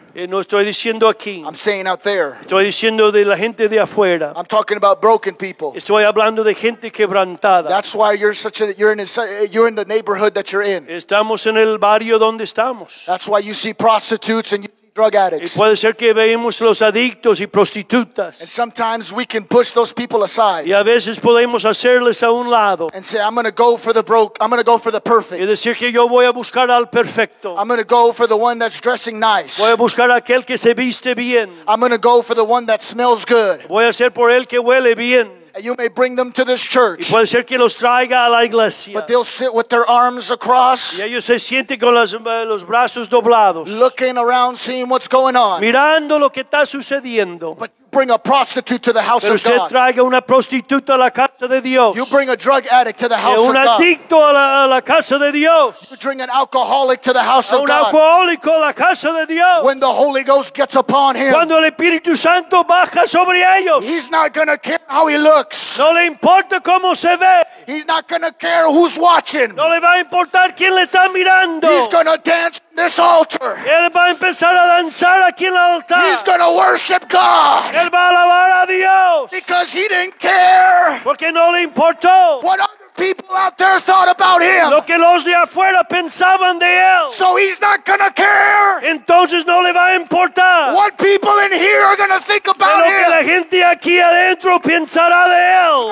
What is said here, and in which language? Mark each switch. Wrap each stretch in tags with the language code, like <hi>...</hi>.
<es>No estoy diciendo aquí.</es> <en>I'm saying out there.</en> <es>Estoy diciendo de la gente de afuera.</es> <en>I'm talking about broken people.</en> <es>Estoy hablando de gente quebrantada.</es> <en>That's why you're in the neighborhood that you're in.</en> <es>Estamos en el barrio donde estamos.</es> <en>That's why you see prostitutes and you see drug addicts.</en> <es>Y puede ser que veamos los adictos y prostitutas.</es> <en>And sometimes we can push those people aside.</en> <es>Y a veces podemos hacerles a un lado.</es> <en>And say, I'm going to go for the broke. I'm going to go for the perfect.</en> <es>Y decir que yo voy a buscar al perfecto.</es> <en>I'm going to go for the one that's dressing nice.</en> <es>Voy a buscar aquel que se viste bien.</es> <en>I'm going to go for the one that smells good.</en> <es>Voy a ser por el que huele bien.</es> <en>And you may bring them to this church.</en> <es>Y puede ser que los traiga a la iglesia.</es> <en>But they'll sit with their arms across.</en> <es>Y ellos se sienten con los brazos doblados.</es> <en>Looking around, seeing what's going on.</en> <es>Mirando lo que está sucediendo.</es> <en>But you bring a prostitute to the house</en> <es>Pero</es> <en>of God.</en> <es>Usted traiga una prostituta a la casa de Dios.</es> <en>You bring a drug addict to the house</en> <es>y</es> <en>of God.</en> <es>Un adicto a la casa de Dios.</es> <en>You bring an alcoholic to the house</en> <es>a</es> <en>of</en> <es>un</es> <en>God.</en> <es>Alcohólico a la casa de Dios.</es> <en>When the Holy Ghost gets upon him.</en> <es>Cuando el Espíritu Santo baja sobre ellos.</es> <en>He's not going to care how he looks.</en> <es>No le importa cómo se ve.</es> <en>He's not going to care who's watching.</en> <es>No le va a importar quién le está mirando.</es> <en>He's going to dance this altar.</en> <es>Él va a empezar a danzar aquí en el altar.</es> <en>He's going to worship God.</en> <es>Él va a alabar a Dios.</es> <en>Because he didn't care.</en> <es>Porque no le importó.</es> <en>What people out there thought about him.</en> <es>Lo que los de afuera pensaban de él.</es> <en>So he's not going to care.</en> <es>Entonces no le va a importar.</es> <en>What people in here are going to think about him.</en> <es>Lo que la gente aquí adentro pensará de él.</es>